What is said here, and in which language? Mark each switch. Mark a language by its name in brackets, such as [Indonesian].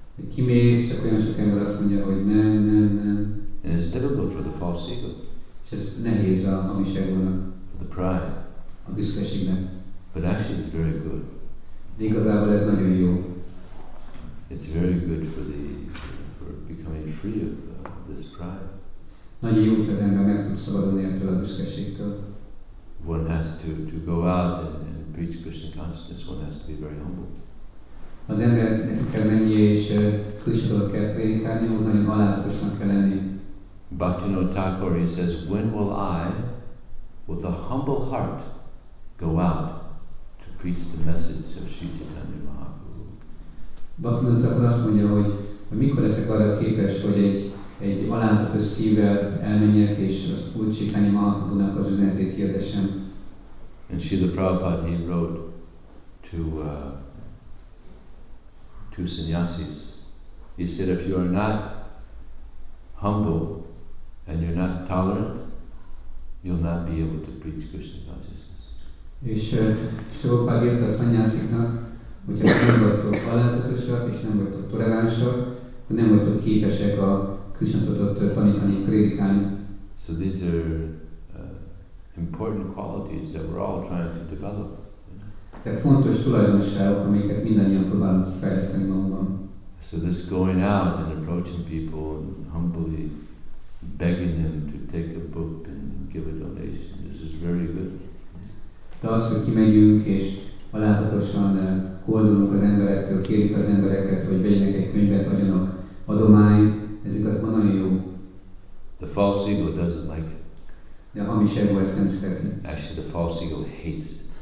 [Hungarian] Kimész, csak olyan sok ember azt mondja, hogy nem. [English] And it's difficult for the false ego. [Hungarian] És ez nehéz a hamis egónak. [English] The pride. [Hungarian] A büszkeségnek. [English] But actually it's very good. [Hungarian] De igazából ez nagyon jó. [English] It's very good for becoming free of this pride. [Hungarian] Nagyon jó, hogy az ember meg tud szabadulni ettől a büszkeségtől. [English] One has to go out and preach Krishna consciousness, one has to be very humble. [Hungarian] Az ember neki kell menni és Krisztusról kell prédikálni, az nagyon alázatosnak kell lenni. [English] Bhaktivinoda Thakur, he says, when will I, with a humble heart, go out to preach the message of Sri Chaitanya Mahaprabhu. [Hungarian] Bhaktivinoda Thakur azt mondja, hogy mikor leszek arra képes, hogy egy alázatos szívvel elmenjek, és Úr Chaitanya Mahaprabhunak az üzenetét hirdessem. [English] And Srila Prabhupada, he wrote to sannyasis. He said, if you are not humble and you're not tolerant, you'll not be able to preach Krishna consciousness. [Hungarian] És Prabhupada írta a szanyásziknak, hogyha nem vagytok alázatosak és nem vagytok toleránsak, akkor nem vagytok képesek a Krisna-tudatot tanítani, prédikálni. [English] So these are important qualities that we're all trying to develop. [Hungarian] Tehát fontos tulajdonságok, amiket mindannyian próbálunk kifejleszteni magunkban. [English] So this going out and approaching people and humbly begging them to take a book and give a donation. This is very good. [Hungarian] De az, hogy kimegyünk és alázatosan koldulunk az emberektől, kérjük az embereket, hogy vegyenek egy könyvet, adjanak adományt, ez igazban nagyon jó. [English] The false ego doesn't like it. [Hungarian] De a hamis ego ezt nem szereti. [English] Actually, the false ego hates it.